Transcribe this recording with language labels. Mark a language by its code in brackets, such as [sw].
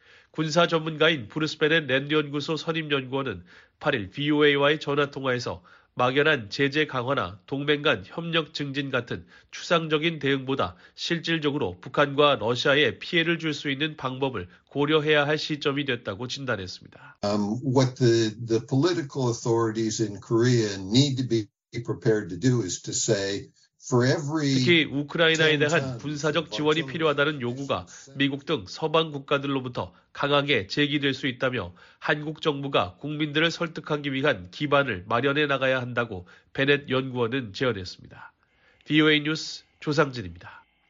[ko] 군사 전문가인 브루스베넷 랜드연구소 선임연구원은 8일 VOA와의 전화통화에서 막연한 제재 강화나 동맹 간 협력 증진 같은 추상적인 대응보다 실질적으로 북한과 러시아에 피해를 줄 수 있는 방법을 고려해야 할 시점이 됐다고 진단했습니다. [en] What the political authorities in Korea need to be prepared to do is to say, [ko] 특히 우크라이나에 대한 군사적 지원이 필요하다는 요구가 미국 등 서방 국가들로부터 강하게 제기될 수 있다며 한국 정부가 국민들을 설득하기 위한 기반을 마련해 나가야 한다고 베넷 연구원은 제언했습니다. VOA 뉴스 조상진입니다.